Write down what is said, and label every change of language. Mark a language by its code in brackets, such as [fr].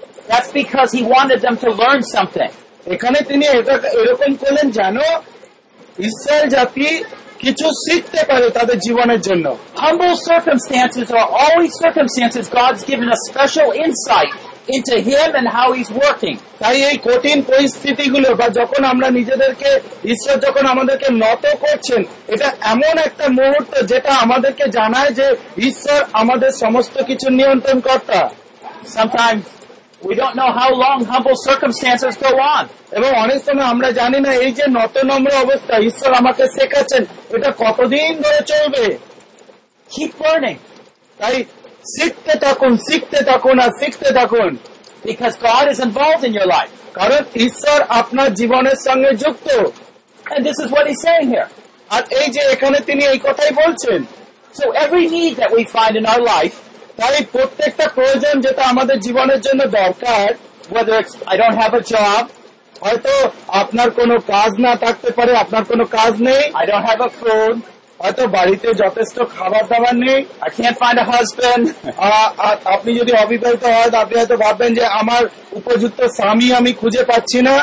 [en] That's because he wanted them to learn something. [bn] এখানে তিনি এরকম করলেন যেন ইসরায়েল জাতি কিছু শিখতে পারে তাদের জীবনের জন্য. [en] Humble circumstances are always circumstances God's given a special insight into him and how he's working. [bn] তাই এই কঠিন পরিস্থিতি গুলো বা যখন আমরা নিজেদেরকে ঈশ্বর যখন আমাদেরকে নত করছেন, এটা এমন একটা মুহূর্ত যেটা আমাদেরকে জানায় যে ঈশ্বর আমাদের সমস্ত কিছু নিয়ন্ত্রণ কর্তা. [en] Sometimes we don't know how long humble circumstances go on. [bn] এবং অনেক সময় আমরা জানি না এই যে নত নম্র অবস্থা ঈশ্বর আমাকে শেখাচ্ছেন এটা কতদিন ধরে চলবে. [en] Keep learning. [bn] তাই শিখতে থাকুন, শিখতে থাকুন আর শিখতে থাকুন. [en] Because God is involved in your life. [bn] কারণ ঈশ্বর আপনার জীবনের সঙ্গে যুক্ত. [en] And this is what he's saying here. [bn] আর এই যে এখানে তিনি এই কথাই বলছেন. [en] So every need that we find in our life, [bn] তাই প্রত্যেকটা প্রয়োজন যেটা আমাদের জীবনের জন্য দরকার, [en] whether it's I don't have a job, [bn] হয়তো আপনার কোনো কাজ না থাকতে পারে, আপনার কোনো কাজ নেই, [en] I don't have a phone, [bn] হয়তো বাড়িতে যথেষ্ট খাবার দাবার নেই, [en] I can't find a husband, [bn] আপনি যদি অবিবাহিত হন, আপনি হয়তো ভাববেন যে আমার উপযুক্ত স্বামী আমি খুঁজে পাচ্ছি না,